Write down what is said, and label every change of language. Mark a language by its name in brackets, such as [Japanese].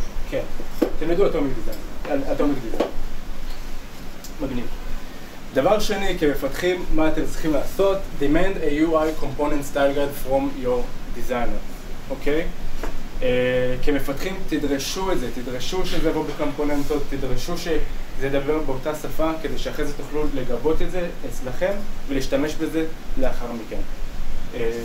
[Hebrew] כן, תלמדו אטומיק דיזיין. מגניב. דבר שני, כמפתחים, מה אתם צריכים לעשות? [English] Demand a UI component style guide from your designer, אוקיי? [Hebrew] כמפתחים, תדרשו את זה, תדרשו שזה יבוא בקומפוננטות, תדרשו שזה ידבר באותה שפה, כדי שאחרי זה תוכלו לגבות את זה אצלכם ולהשתמש בזה לאחר מכן.